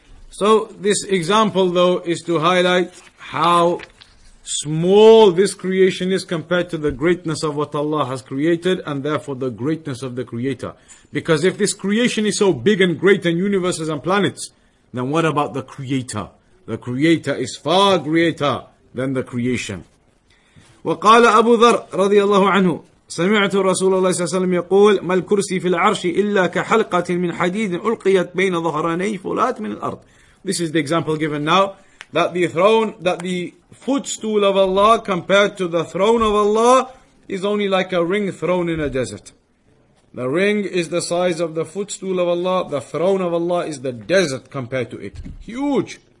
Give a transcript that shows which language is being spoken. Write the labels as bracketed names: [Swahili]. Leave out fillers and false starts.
[English] So this example though is to highlight how small this creation is compared to the greatness of what Allah has created, and therefore the greatness of the Creator. Because if this creation is so big and great and universes and planets, then what about the Creator? The Creator is far greater than the creation. [Arabic] وقال أبو ذر رضي الله عنه سمعت رسول الله صلى الله عليه وسلم يقول ما الكرسي في العرش إلا كحلقة من حديد ألقيت بين ظهراني فلات من الأرض. [English] This is the example given now, that the throne, that the footstool of Allah compared to the throne of Allah is only like a ring thrown in a desert. The ring is the size of the footstool of Allah, the throne of Allah is the desert compared to it. Huge.